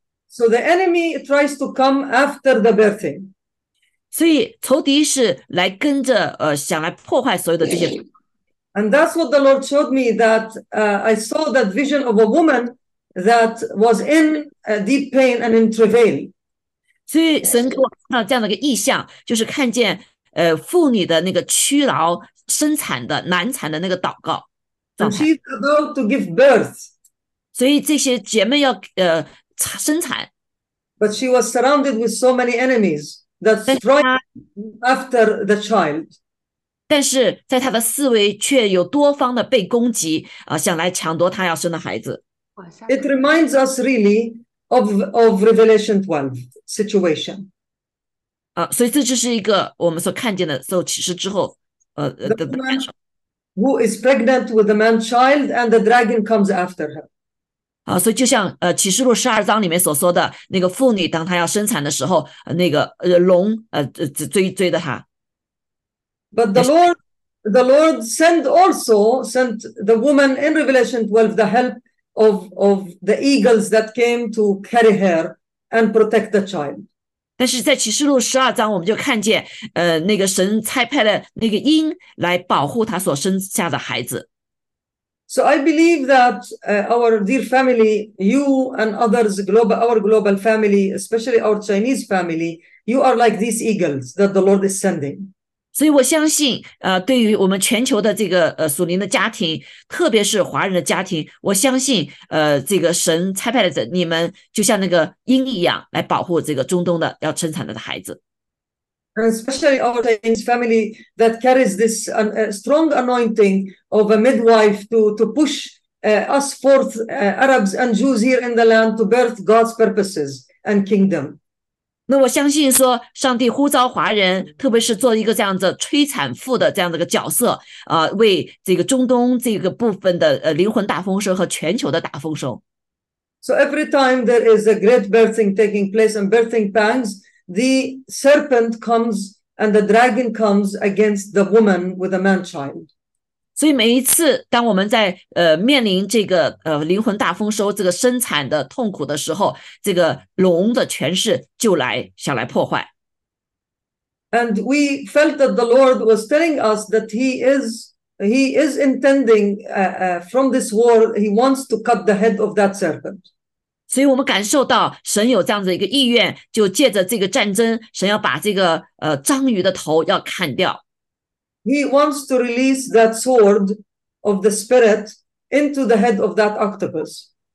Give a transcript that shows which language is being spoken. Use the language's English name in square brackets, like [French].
[English] So the enemy tries to come after the birthing. [Chinese] 所以，仇敌是来跟着想来破坏所有的这些。 [English] And that's what the Lord showed me that I saw that vision of a woman that was in deep pain and in travail. [Chinese] 所以神给我看到这样的一个意象，就是看见妇女的那个屈劳、生产的难产的那个祷告状 [English] And [Chinese] 态。 [English] she's about to give birth. [Chinese] 所以这些姐妹要生产， [English] But she was surrounded with so many enemies that struck after the child. [Chinese] 但是在她的四围却有多方的被攻击，想来抢夺她要生的孩子。 [English] It reminds us really of Revelation 12 situation. [Chinese] 所以这就是一个我们所看见的受启示之后， [English] The [Chinese] 的感 [English] woman [Chinese] 受。 [English] who is pregnant with a man child and the dragon comes after her. [Chinese] 所以就像启示录12章里面所说的那个妇女，当她要生产的时候，那个龙追着她。 [English] But the Lord sent the woman in Revelation 12 the help of the eagles that came to carry her and protect the child. [Chinese] 但是在启示录12章，我们就看见，那个神差派了那个鹰来保护他所生下的孩子。 [English] So I believe that our dear family, you and others, our global family, especially our Chinese family, you are like these eagles that the Lord is sending. [Chinese] 所以我相信，对于我们全球的这个属灵的家庭，特别是华人的家庭，我相信，这个神差派的人，你们就像那个鹰一样，来保护这个中东的要生产的孩子。 [English] And especially our Chinese family that carries this strong anointing of a midwife to push us forth, Arabs and Jews here in the land, to birth God's purposes and kingdom. [Chinese] 那我相信说，上帝呼召华人，特别是做一个这样子催产妇的这样的一个角色，为这个中东这个部分的灵魂大丰收和全球的大丰收。 [English] So every time there is a great birthing taking place and birthing pangs, the serpent comes and the dragon comes against the woman with a man child. [Chinese] 所以每一次当我们在面临这个灵魂大丰收这个生产的痛苦的时候，这个龙的权势就来想来破坏。 [English] And we felt that the Lord was telling us that he is intending from this war, he wants to cut the head of that serpent. [Chinese] 所以我们感受到神有这样的一个意愿，就借着这个战争，神要把这个章鱼的头要砍掉。 [English] He wants to release that sword of the spirit into the head of that octopus.